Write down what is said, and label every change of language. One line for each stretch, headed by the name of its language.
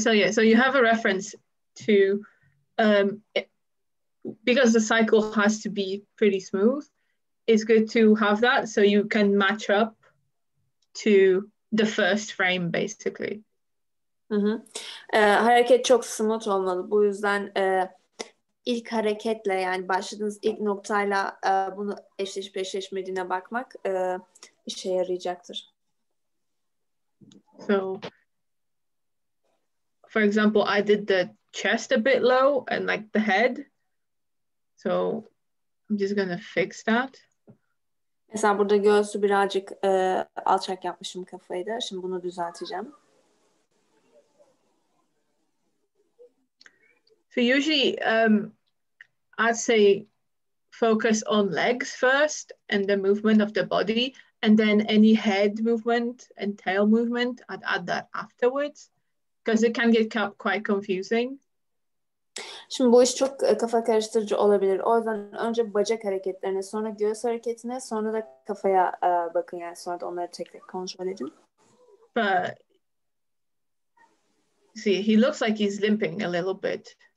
English: So you have a reference to because the cycle has to be pretty smooth, it's good to have that so you can match up to the first frame basically.
Turkish: Hareket çok smooth olmalı. Bu yüzden ilk hareketle, yani başladığınız ilk noktayla bunu eşleşip eşleşmediğine bakmak işe yarayacaktır.
English: So for example, I did the chest a bit low and like the head. So I'm just gonna fix that.
Turkish: Mesela burada göğsü birazcık alçak yapmışım kafayı da. Şimdi bunu düzelteceğim.
English: So usually I'd say focus on legs first and the movement of the body, and then any head movement and tail movement, I'd add that afterwards. Because it can get quite confusing.
Turkish: Şimdi bu iş çok kafa karıştırıcı olabilir. O yüzden önce bacak hareketlerine, sonra göğüs hareketine, sonra da kafaya bakın. Yani sonra da onları tek tek kontrol edin.
English: But see, he looks like he's limping a little bit.